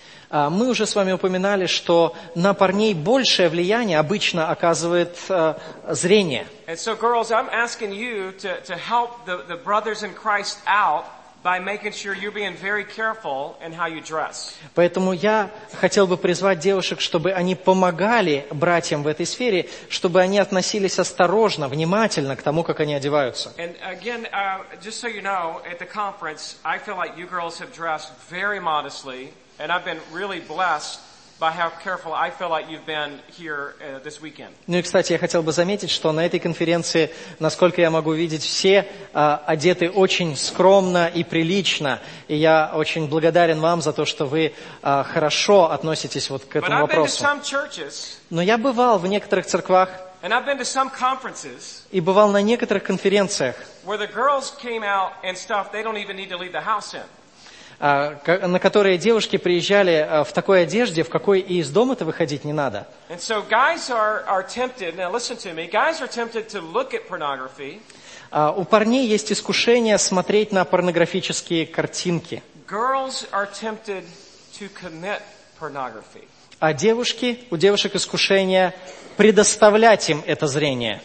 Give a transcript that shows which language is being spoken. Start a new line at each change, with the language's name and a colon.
Russian: Мы уже с вами упоминали, что на парней большее влияние обычно оказывает зрение.
English: And so, girls, I'm asking you to help the brothers in Christ out by making sure you're being very careful in how you dress.
Russian: Поэтому я хотел бы призвать девушек, чтобы они помогали братьям в этой сфере, чтобы они относились осторожно, внимательно к тому, как они одеваются.
English: And again, just so you know, at the conference, I feel like you girls have dressed very modestly. And I've been really blessed by how careful I feel like you've been here this weekend.
Russian: Ну и, кстати, я хотел бы заметить, что на этой конференции, насколько я могу видеть, все одеты очень скромно и прилично. И я очень благодарен вам за то, что вы хорошо относитесь вот к этому вопросу.
English: But I've been to some churches.
Russian: Но я бывал в некоторых церквях.
English: And I've been to some conferences.
Russian: И бывал на некоторых конференциях.
English: Where the girls came out and stuff they don't even need to leave the house in.
Russian: На которые девушки приезжали в такой одежде, в какой и из дома-то выходить не надо.
English: And so guys are tempted, now listen to me, guys are tempted to look at pornography.
Russian: У парней есть искушение смотреть на порнографические картинки.
English: Girls are tempted to commit pornography.
Russian: А девушки, у девушек искушение предоставлять им это зрение.